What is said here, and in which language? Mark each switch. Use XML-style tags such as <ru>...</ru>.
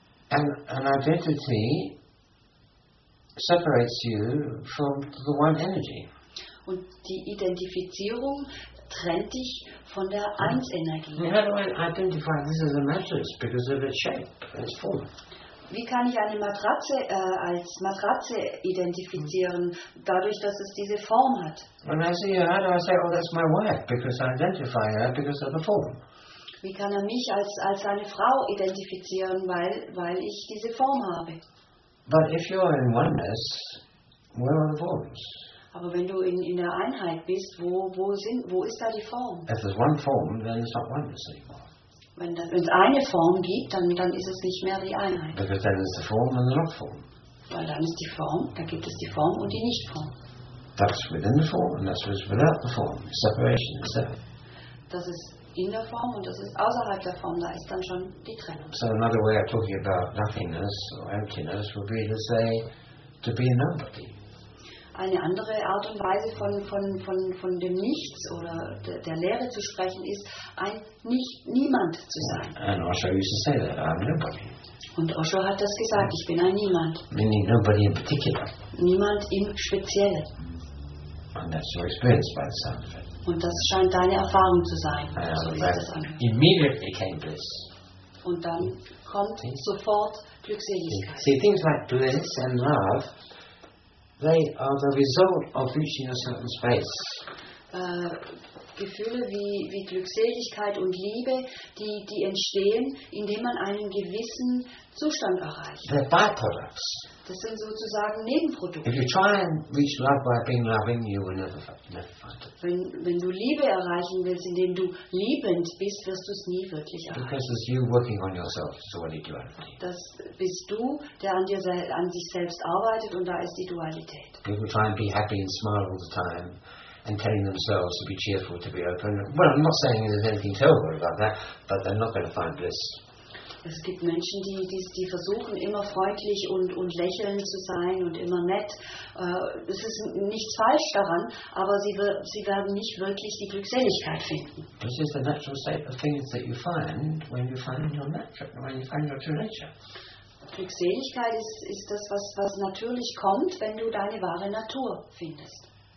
<en>An identity separates you from the one energy.</en> <de>Und die Identifizierung trennt dich von der Eins-Energie.</de> <en>How do I identify this as a mattress because of its shape, its form?</en> <de>Wie kann ich eine Matratze als Matratze identifizieren, dadurch, dass es diese Form hat?</de> <en>When I see her, I say, oh, that's my wife, because I identify her because of the form.</en> <de>Wie kann er mich als seine Frau identifizieren, weil ich diese Form habe?</de> <en>But if you are in oneness, where are the forms?</en> <de>Aber wenn du in der Einheit bist, wo ist da die Form?</de> <en>If there's one form, then it's not oneness anymore.</en> <de>Wenn es eine Form gibt, dann ist es nicht mehr die Einheit.</de> <en>Because then is the form and the not-form.</en> <de>Weil dann ist die Form, da gibt es die Form und die Nicht-Form.</de> <en>That's within the form and that's without the form. Separation is there.</en> <de>Das ist in der Form und das ist außerhalb der Form, da ist dann schon die Trennung.</de> <en>So another way of talking about nothingness or emptiness would be to say to be a nobody.</en> <de>Eine andere Art und Weise von dem Nichts oder der Leere zu sprechen ist, ein Niemand zu sein.</de> <en>And Osho used to say that, I'm nobody.</en> <de>Und Osho hat das gesagt, ich bin ein Niemand.</de> <en>Meaning nobody in particular.</en> <de>Niemand im Speziellen.</de> <en>And that's your experience by the sound of it.</en> <de>Und das scheint deine Erfahrung zu sein.</de> <en>Immediately came bliss.</en> <de>Und dann kommt sofort Glückseligkeit.</de> <en>See, things like bliss and love, they are the result of reaching a certain space.</en> <de>Gefühle wie Glückseligkeit und Liebe, die entstehen, indem man einen gewissen Zustand erreicht.</de> <en>They're byproducts.</en> <de>Das sind sozusagen Nebenprodukte.</de> <en>If you try and reach love by being loving, you will never find it.</en> <de>Wenn du Liebe erreichen willst, indem du liebend bist, wirst du es nie wirklich erreichen.</de> <en>Because it's you working on yourself, it's already duality.</en> <de>Das bist du, der an sich selbst arbeitet, und da ist die Dualität.</de> <en>People try and be happy and smile all the time. And telling themselves to be cheerful, to be open. Well, I'm not saying there's anything terrible about that, but they're not going to find bliss.</en> <de>Es gibt Menschen, die versuchen, immer freundlich und lächelnd zu sein und immer nett. Es ist nichts falsch daran, aber sie werden nicht wirklich die Glückseligkeit finden.</de> <en>This is the natural state of things that you find when you find your nature, when you find your true nature.</en> <de>Glückseligkeit ist das, was natürlich kommt, wenn du deine wahre Natur findest.</de>